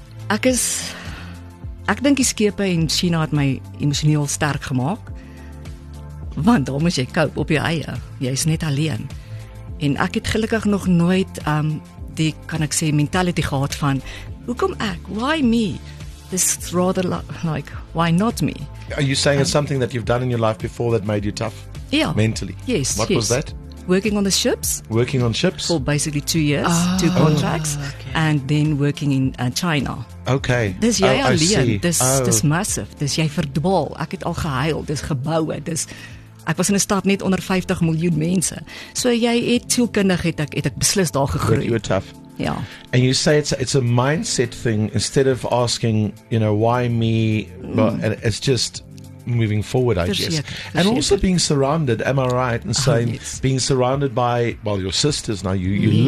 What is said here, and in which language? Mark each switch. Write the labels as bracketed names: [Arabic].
[Afrikaans] Ek dink die skepe en China het my emosioneel sterk gemaak. Want daar moes jy cope op jou eie. Jy is net alleen. En ek het gelukkig nog nooit die, kan ek sê, mentality gehad van hoekom ek, [English] why me? This is rather like, why not me? Are you saying it's something that you've done in your life before that made you tough? Yeah. Mentally? Yes, what yes. was that? Working on ships? For basically 2 years, oh, two contracts, okay. And then working in China. Okay. [Afrikaans] Dis jy alleen, dis massive, dis jy verdwaal, ek het al gehuil, dis gebouwe, dis... Ek was in 'n stad net onder 50 miljoen mense. So jy het sielkundig het ek beslis daar gegroei. [English] You were tough. [Afrikaans] Ja. [English] And you say it's a mindset thing instead of asking, you know, why me? Well, it's just moving forward, I guess. And also being surrounded, am I right in saying being surrounded by, well, your sisters now, you yes.